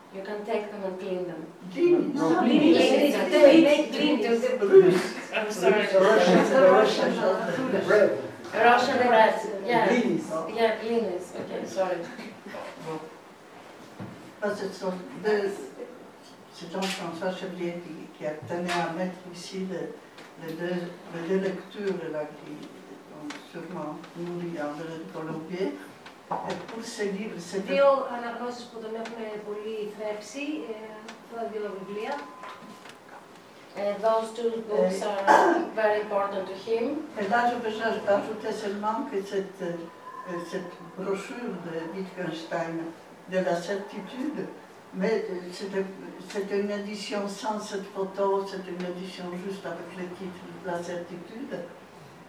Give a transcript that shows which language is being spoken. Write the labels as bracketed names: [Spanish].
[English] You can take them and clean them. [French] C'est Jean-François Chevrier qui a tenu à mettre ici les deux lectures là, qui ont sûrement nourri André de Colombier. Et pour ces livres, c'est [Greek] deux αναγνώσεις που τον έχουν πολύ θρέψει, τα δύο βιβλία. [English] Those two books are very important to him. [French] Et là, je veux ajouter seulement que cette brochure de Wittgenstein, de la certitude, mais c'était une édition sans cette photo, c'était une édition juste avec le titre « La certitude ».